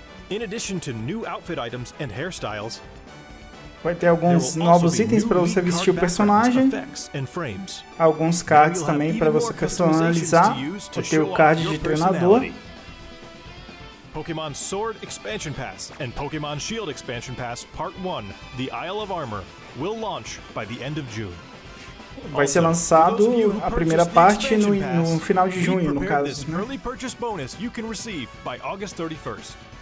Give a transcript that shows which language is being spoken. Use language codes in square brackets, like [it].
[en] In addition to new outfit items and hairstyles, [pt] vai ter alguns novos itens para você vestir o personagem, alguns cards também para você personalizar, vai ter o card de treinador. [en] Pokémon Sword Expansion Pass and Pokémon Shield Expansion Pass Part 1, The Isle of Armor, will launch by the end of June. [pt] Vai ser lançado a primeira parte no final de junho, no caso. [en] This early purchase bonus you can receive by August 31st.